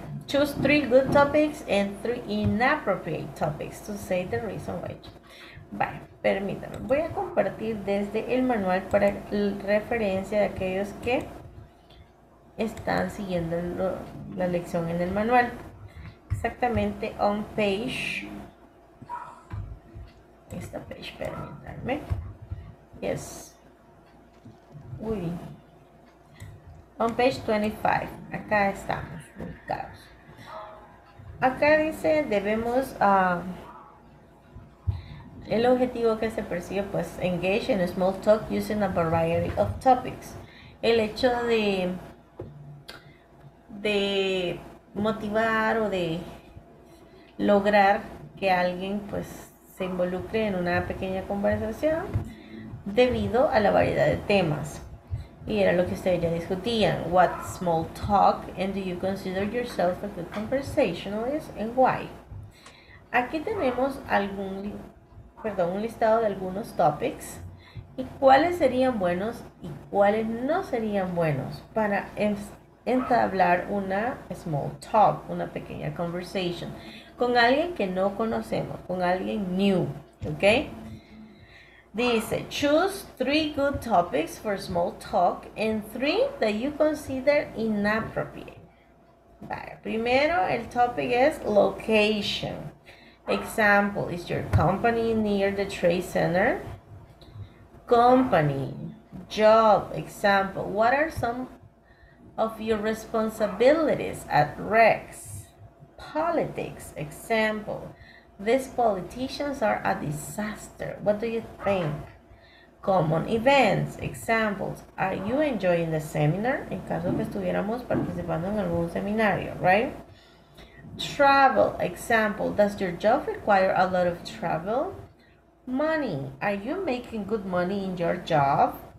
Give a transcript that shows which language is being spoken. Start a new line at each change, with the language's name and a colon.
English: Choose three good topics and three inappropriate topics to say the reason why.
Spanish: Vale, permítanme. Voy a compartir desde el manual para referencia de aquellos que están siguiendo la lección en el manual. Exactamente
English: on page.
Spanish: Esta page, permítanme. Yes. Uy.
English: On page 25.
Spanish: Acá estamos ubicados. Acá dice, debemos el objetivo que se persigue, pues
English: engage in a small talk using a variety of topics.
Spanish: El hecho de motivar o de lograr que alguien pues se involucre en una pequeña conversación debido a la variedad de temas. Y era lo que ustedes ya discutían.
English: What small talk and do you consider yourself a good conversationalist and why?
Spanish: Aquí tenemos un listado de algunos topics y cuáles serían buenos y cuáles no serían buenos para entablar una small talk, una pequeña conversation con alguien que no conocemos, con alguien new, ¿ok?
English: Dice, choose three good topics for small talk and three that you consider inappropriate. Vale.
Spanish: Primero, el topic es location.
English: Example, is your company near the trade center? Company, job, example, what are some of your responsibilities at Rex? Politics, example. These politicians are a disaster. What do you think? Common events, examples. Are you enjoying the seminar?
Spanish: En caso que estuviéramos participando en algún seminario, right?
English: Travel, example. Does your job require a lot of travel? Money. Are you making good money in your job?